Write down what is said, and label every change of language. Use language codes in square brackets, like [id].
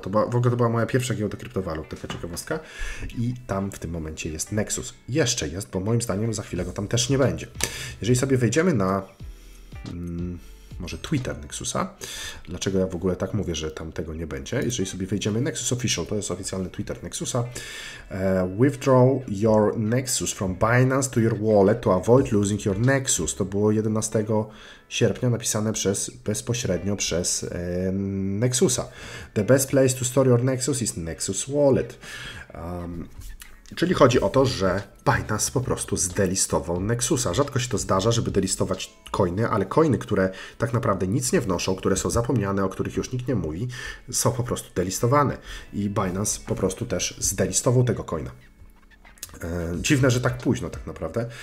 [pl] To była moja pierwsza giełda kryptowalut, taka ciekawostka. I tam w tym momencie jest Nexus. Jeszcze jest, bo moim zdaniem za chwilę go tam też nie będzie. Jeżeli sobie wejdziemy na... może Twitter Nexusa. Dlaczego ja w ogóle tak mówię, że tam tego nie będzie? Jeżeli sobie wejdziemy Nexus Official, to jest oficjalny Twitter Nexusa. [en] Withdraw your Nexus from Binance to your wallet to avoid losing your Nexus. [pl] To było 11 sierpnia napisane bezpośrednio przez Nexusa. [en] The best place to store your Nexus is Nexus Wallet. [pl] Czyli chodzi o to, że Binance po prostu zdelistował Nexusa. Rzadko się to zdarza, żeby delistować coiny, ale coiny, które tak naprawdę nic nie wnoszą, które są zapomniane, o których już nikt nie mówi, są po prostu delistowane. I Binance po prostu też zdelistował tego coina. Dziwne, że tak późno tak naprawdę.